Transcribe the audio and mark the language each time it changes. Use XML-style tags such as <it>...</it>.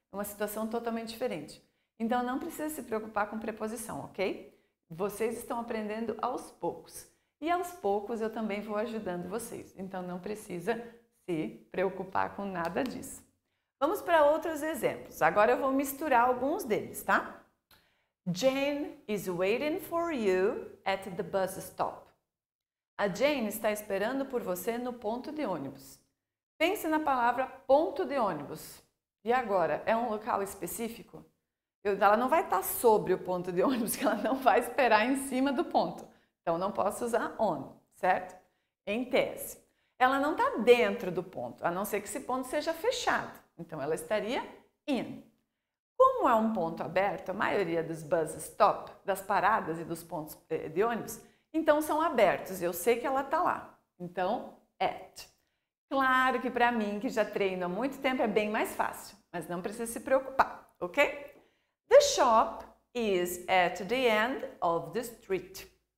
<pt>É uma situação totalmente diferente. Então, não precisa se preocupar com preposição, ok? Vocês estão aprendendo aos poucos. E aos poucos eu também vou ajudando vocês. Então, não precisa se preocupar com nada disso. Vamos para outros exemplos. Agora eu vou misturar alguns deles, tá?</pt> <en>Jane is waiting for you at the bus stop.</en> <pt>A Jane está esperando por você no ponto de ônibus. Pense na palavra ponto de ônibus. E agora, é um local específico? Ela não vai estar sobre o ponto de ônibus, ela não vai esperar em cima do ponto. Então, não posso usar on, certo? Em tese. Ela não está dentro do ponto, a não ser que esse ponto seja fechado. Então, ela estaria in. Como é um ponto aberto, a maioria dos bus stop, das paradas e dos pontos de ônibus, então são abertos, eu sei que ela está lá. Então, at. Claro que para mim, que já treino há muito tempo, é bem mais fácil. Mas não precisa se preocupar, ok?</pt> <en>The shop is at the end of the street.</en>